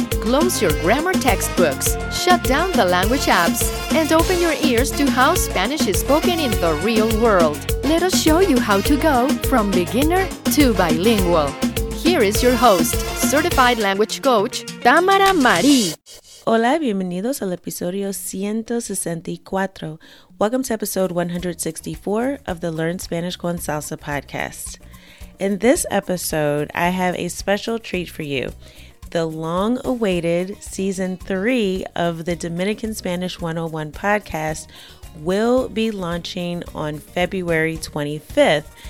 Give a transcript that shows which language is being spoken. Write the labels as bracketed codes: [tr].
[en] Close your grammar textbooks, shut down the language apps, and open your ears to how Spanish is spoken in the real world. Let us show you how to go from beginner to bilingual. Here is your host, certified language coach, Tamara Mari. [es] Hola, bienvenidos al episodio 164. [en] Welcome to episode 164 of the Learn Spanish con Salsa podcast. In this episode, I have a special treat for you. The long-awaited season 3 of the Dominican Spanish 101 podcast will be launching on February 25th.